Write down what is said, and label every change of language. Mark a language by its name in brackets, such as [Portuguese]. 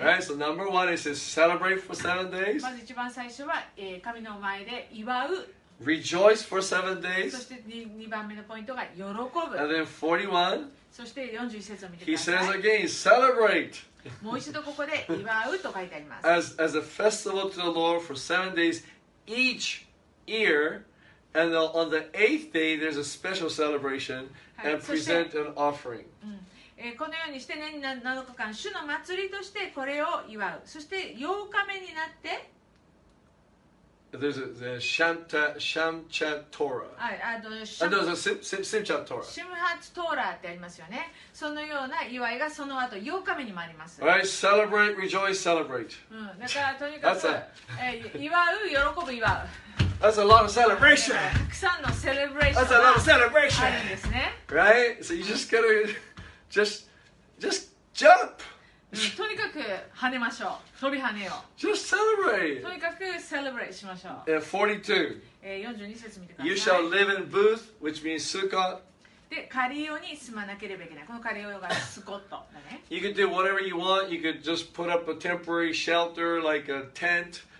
[English] Right? So number one is celebrate for seven days. [Japanese] まず一番最初は、神の前で祝う。 [English] Rejoice for seven days. [Japanese] そして二番目のポイントが喜ぶ。 [English] And then 41. [Japanese] そして41節を見てください。 [English] He says again, celebrate. [Japanese] もう一度ここで祝うと書いてあります。 [English] As a festival to the Lord for seven days each year, and on the eighth day there's a special celebration and present an offering.、 [Japanese] このようにして年に7日間主の祭りとしてこれを祝う。そして8日目になって。 [English] There's the Shamchat Torah. Simchat Torah. [Japanese] Shimhat Torah ってありますよね。そのような祝いがその後8日目にもあります。 [English] Right, celebrate, rejoice, celebrate. [Japanese] だからとにかく、祝う、喜ぶ、祝う。 [English] That's a lot of celebration. [Japanese] たくさんの celebration. [English] That's a lot of celebration. [Japanese] あるんですね。 [English] Right, so you just gotta just jump. [Japanese] とにかく跳ねましょう。飛び跳ねよう。 [English] Just celebrate. [Japanese] とにかく celebrate しましょう。 [English] 42. [Japanese] 42節見てください。 [English] You shall live in booth, which means sukkah. [Japanese] で、カリオに住まなければいけない。このカリオがスコットだね。 [English] You can do whatever you want. You could just put up a temporary shelter, like a tent.